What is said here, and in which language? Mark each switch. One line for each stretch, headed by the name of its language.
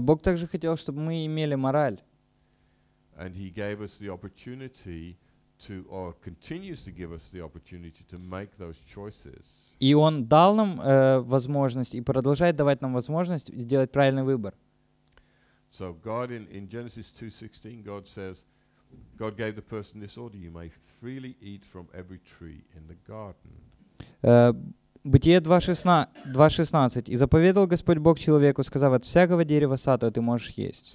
Russian: Бог также хотел, чтобы мы имели мораль.
English: And He gave us the opportunity to, or continues to give us the opportunity to make those choices.
Russian: И Он дал нам возможность и продолжает давать нам возможность сделать правильный выбор.
English: So God in Genesis 2:16, God says, God gave the person this order: you may freely eat from every tree in the garden.
Russian: Бытие 2:16. И заповедал Господь Бог человеку, сказав: от всякого дерева сада ты можешь есть.